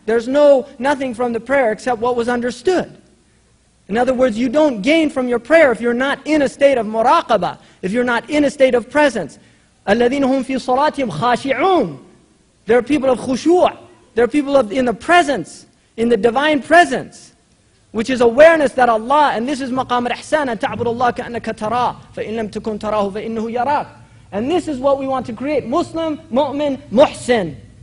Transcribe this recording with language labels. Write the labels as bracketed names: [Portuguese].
[English] There's nothing from the prayer except what was understood. In other words, you don't gain from your prayer if you're not in a state of muraqabah, if you're not in a state of presence. [Arabic] الَّذِينَ هُمْ فِي صَلَاتِهِمْ خَاشِعُونَ [English] They're people of khushu'ah. There are people in the presence, in the divine presence, which is awareness that Allah, and this is maqam al-ihsan, [Arabic] تَعْبُدُ اللَّهَ كَأَنَّكَ تَرَاهُ فَإِنْ لَمْ تَكُنْ تَرَاهُ فَإِنَّهُ يَرَاكُ [English] And this is what we want to create, Muslim, mu'min, muhsin.